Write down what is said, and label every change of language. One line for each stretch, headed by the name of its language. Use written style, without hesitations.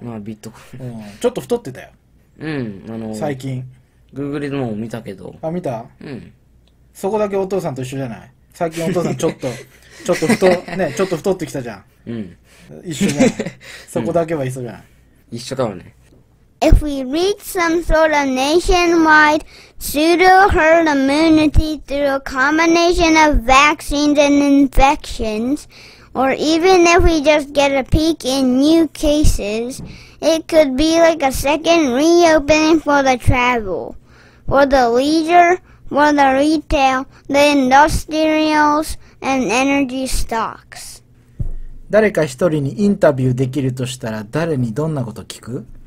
Japanese: まあビットコイン、うん、ちょっと太ってたよ。うん、最近 Google でも見たけど。あ、見た。うん、そこだけお父さんと一緒じゃない、最近お父さんちょっとちょっと太、ね、ちょっと太ってきたじゃん。うん。一緒じゃん。そこだけは一緒じゃん。一緒だわね。
English: If we reach some sort of nationwide pseudo herd immunity through a combination of vaccines and infections, or even if we just get a peak in new cases, it could be like a second reopening for the travel, for the leisure, for the retail, the industrials,And energy stocks.
Japanese: 誰か一人にインタビューできるとしたら誰にどんなこと聞く？